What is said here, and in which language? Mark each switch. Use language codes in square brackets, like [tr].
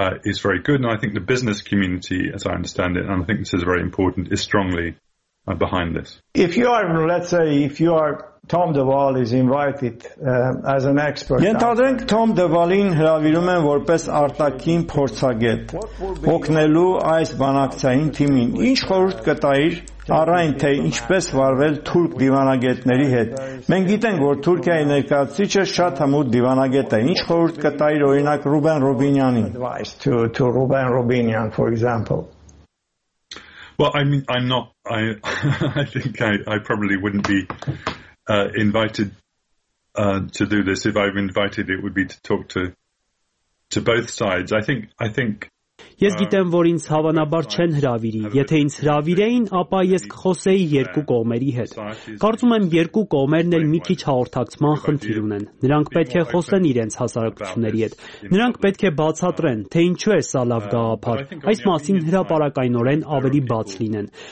[en] Is very good, and I think the business community, as I understand it, and I think this is very important, is strongly behind this. If you are Tom Deval is invited as an expert. [hy] Ենթադրենք Tom Deval-ին հրավիրում են որպես արտաքին փորձագետ օգնելու այս բանակցային թիմին։ Ինչ խորհուրդ կտայիր առայն թե ինչպես վարվել թուրք դիվանագետների հետ։ Մենք գիտենք, որ Թուրքիայի ներկայացուցիչը շատ համուտ դիվանագետ է։ Ինչ խորհուրդ կտայիր օրինակ Ռուբեն Ռուբինյանին։ [en] To Ruben Rubinyan, for example. Well, I mean, I think I probably wouldn't be invited to do this. If I'm invited, it would be to talk to both sides. I think [hy] ես գիտեմ, որ ինձ հավանաբար չեն հրավիրի։ Եթե ինձ հրավիրեին, ապա ես կխոսեի երկու կողմերի հետ։ Կարծում եմ, երկու կողմերն էլ մի քիչ հաղորդակցման խնդիր ունեն։ Նրանք պետք է խոսեն իրենց հասարակությունների հետ։ Նրանք պետք է բացատրեն, թե ինչու է սա լավ գաղափար։ Այս մասին հրապարակայնորեն ավելի բաց լինեն։